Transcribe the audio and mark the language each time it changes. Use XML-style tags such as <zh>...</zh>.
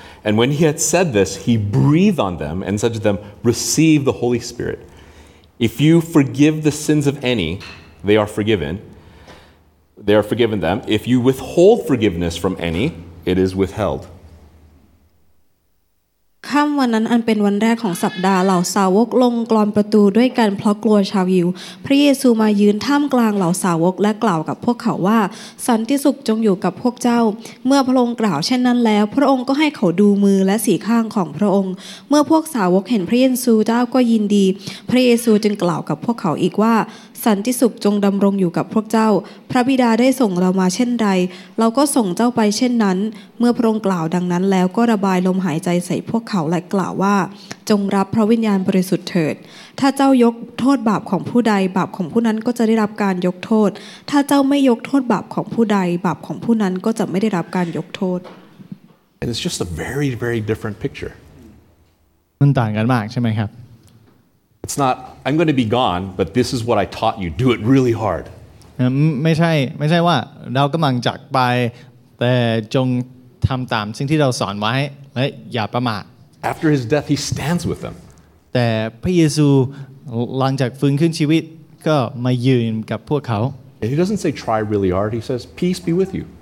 <en>And when he had said this, he breathed on them and said to them, Receive the Holy Spirit. If you forgive the sins of any, they are forgiven. They are forgiven them. If you withhold forgiveness from any, it is withheld.</en> <th>ค่ำวันนั้นอันเป็นวันแรกของสัปดาห์เหล่าสาวกลงกลอนประตูด้วยกันเพราะกลัวชาวยิวพระเยซูมายืนท่ามกลางเหล่าสาวกและกล่าวกับพวกเขาว่าสันติสุขจงอยู่กับพวกเจ้าเมื่อพระองค์กล่าวเช่นนั้นแล้วพระองค์ก็ให้เขาดูมือและสีข้างของพระองค์เมื่อพวกสาวกเห็นพระเยซูเจ้าก็ยินดีพระเยซูจึงกล่าวกับพวกเขาอีกว่า สันติสุขจงดำรงอยู่กับพวกเจ้าพระบิดาได้ส่งเรามาเช่นใดเราก็ส่งเจ้าไปเช่นนั้นเมื่อพระองค์กล่าวดังนั้นแล้วก็ระบายลมหายใจใส่พวกเขาและกล่าวว่า จงรับพระวิญญาณบริสุทธิ์เถิดถ้าเจ้ายกโทษบาปของผู้ใดบาปของผู้นั้นก็จะได้รับการยกโทษถ้าเจ้าไม่ยกโทษบาปของผู้ใดบาปของผู้นั้นก็จะไม่ได้รับการยกโทษ</th> <en>And it's just a very very different picture</en> <th>มันต่างกันมากใช่ไหมครับ</th> <en>It's not, I'm going to be gone, but this is what I taught you. Do it really hard.</en> <th>ไม่ใช่ว่าเรากำลังจากไปแต่จงทำตามสิ่งที่เราสอนไว้และอย่าประมาท</th> <en>After his death, he stands with them.</en> <th>แต่พระเยซูหลังจากฟื้นขึ้นชีวิตก็มายืนกับพวกเขา</th> <en>And he doesn't say try really hard. He says peace be with you.</en>